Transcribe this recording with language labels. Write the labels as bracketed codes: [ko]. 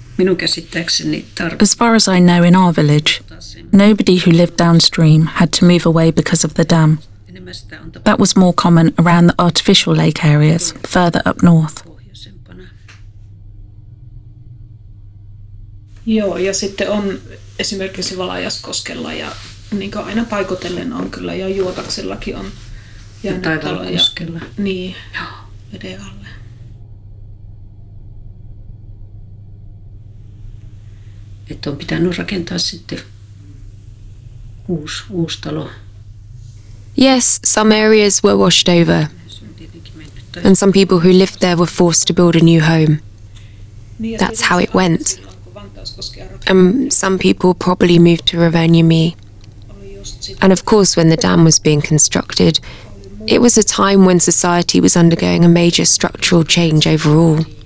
[en] As far as I know, in our village, nobody who lived downstream had to move away because of the dam. That was more common around the artificial lake areas, further up north. [fi] Joo, ja sitten on esimerkiksi Valajaskoskella ja niin kuin aina paikotellen on kyllä ja Juotaksellakin on jäänyt taloja. Niin, veden alle. Että on pitänyt rakentaa sitten uusi talo. [en] Yes, some areas were washed over. And some people who lived there were forced to build a new home. That's how it went. And some people probably moved to Rovaniemi. And of course, when the dam was being constructed, it was a time when society was undergoing a major structural change overall.